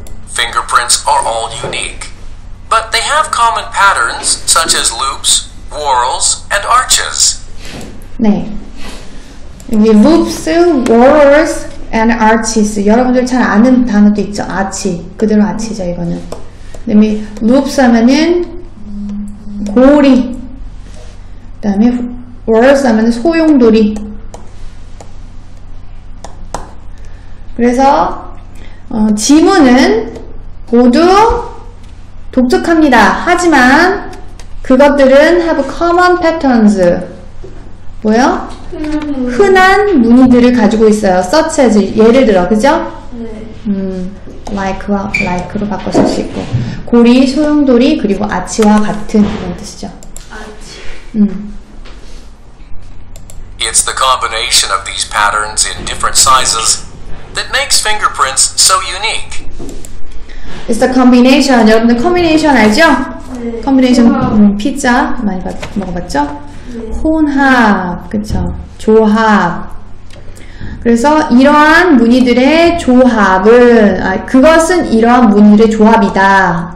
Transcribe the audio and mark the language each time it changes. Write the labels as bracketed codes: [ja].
[en] Fingerprints are all unique, but they have common patterns such as loops, whorls, and arches. 네, 여기 loops, whorls, and arches. [ko] 여러분들 잘 아는 단어도 있죠. 아치, 그대로 아치죠 이거는. 그다음에 loops 하면은 고리. 그다음에 whorls 하면은 소용돌이. 그래서 지문은 모두 독특합니다. 하지만 그것들은 [en] have common patterns. [ko] 뭐요? 흔한 무늬들을 가지고 있어요. [en] Such as, [ko] 예를 들어, 그죠? 네. Like와 like로 바꿨을 수 있고. 고리, 소용돌이, 그리고 아치와 같은 그런 뜻이죠. 아치. [en] It's the combination of these patterns in different sizes that makes fingerprints so unique. It's the combination. [ko] 여러분들 combination 알죠? 네. Combination, 피자 많이 먹어봤죠? 혼합, 그쵸? 조합. 그래서 이러한 무늬들의 조합은, 그것은 이러한 무늬들의 조합이다.